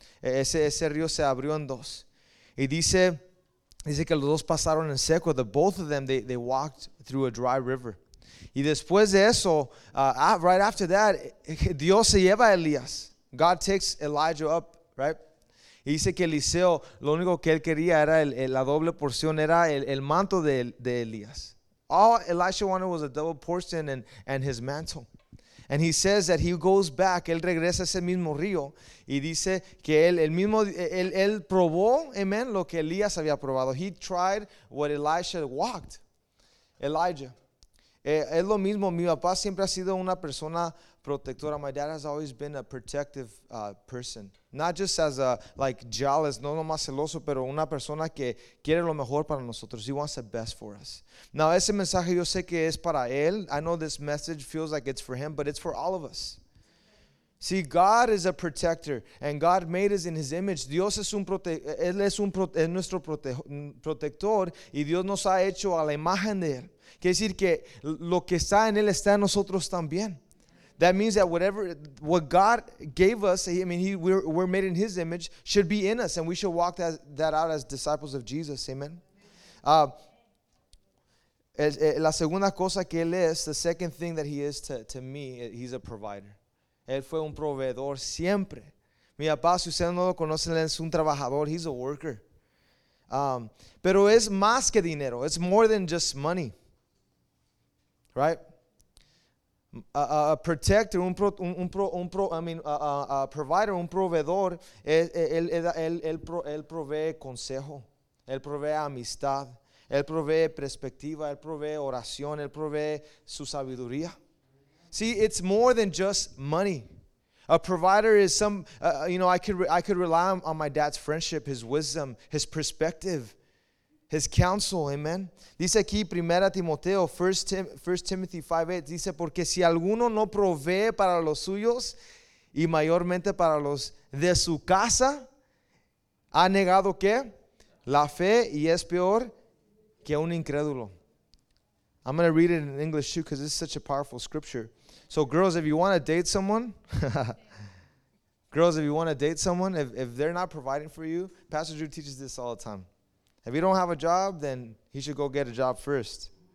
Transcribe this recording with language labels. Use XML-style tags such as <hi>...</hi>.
<es>Ese río se abrió en dos. Y dice que los dos pasaron en seco,</es> <en>the both of them, they walked through a dry river.</en> <es>Y después de eso,</es> <en>right after that,</en> <es>Dios se lleva a Elías.</es> <en>God takes Elijah up, right?</en> <es>Y dice que Eliseo, lo único que él quería era la doble porción, era el manto de Elías.</es> <en>All Elisha wanted was a double portion and his mantle. And he says that he goes back,</en> <es>él regresa a ese mismo río, y dice que él probó, amen, lo que Elías había probado.</es> <en>He tried what Elisha walked,</en> <es>Elijah. Es lo mismo, mi papá siempre ha sido una persona protectora.</es> <en>My dad has always been a protective person. Not just as a, like, jealous,</en> <es>no nomás celoso, pero una persona que quiere lo mejor para nosotros.</es> <en>He wants the best for us.</en> <es>Now, ese mensaje yo sé que es para él.</es> <en>I know this message feels like it's for him, but it's for all of us. See, God is a protector, and God made us in His image.</en> <es>Dios es un protector, y Dios nos ha hecho a la imagen de él. Quiere decir que lo que está en él está en nosotros también.</es> <en>That means that whatever what God gave us, I mean, we're made in His image, should be in us, and we should walk that out as disciples of Jesus. Amen.</en> <es>La segunda cosa que él es,</es> <en>the second thing that he is to me, he's a provider.</en> <es>Él fue un proveedor siempre. Mi papá, si ustedes no lo conocen, es un trabajador.</es> <en>He's a worker.</en> <es>Pero es más que dinero.</es> <en>It's more than just money. Right? A provider,</en> <es>un proveedor, él provee consejo. Él provee amistad. Él provee perspectiva. Él provee oración. Él provee su sabiduría.</es> <en>See, it's more than just money. A provider is some, I could rely on my dad's friendship, his wisdom, his perspective, his counsel, amen.</en> <es>Dice aquí, 1 Timoteo, 1 Timothy 5:8, dice, porque si alguno no provee para los suyos y mayormente para los de su casa, ha negado que la fe y es peor que un incrédulo.</es> <en>I'm going to read it in English too because this is such a powerful scripture. So girls, if you want to date someone, if they're not providing for you, Pastor Drew teaches this all the time. If you don't have a job, then he should go get a job first.</en>